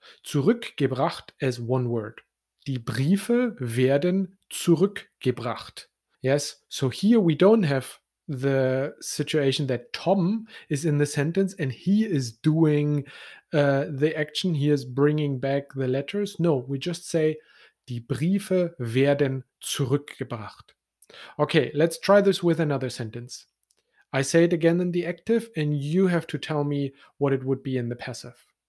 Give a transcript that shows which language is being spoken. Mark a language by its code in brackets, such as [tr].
[de] Zurückgebracht [en] as one word. [de] Die Briefe werden zurückgebracht. [en] Yes, so here we don't have the situation that Tom is in the sentence and he is doing the action, he is bringing back the letters. No, we just say: [de] Die Briefe werden zurückgebracht. [en] Okay, let's try this with another sentence. I say it again in the active and you have to tell me what it would be in the passive.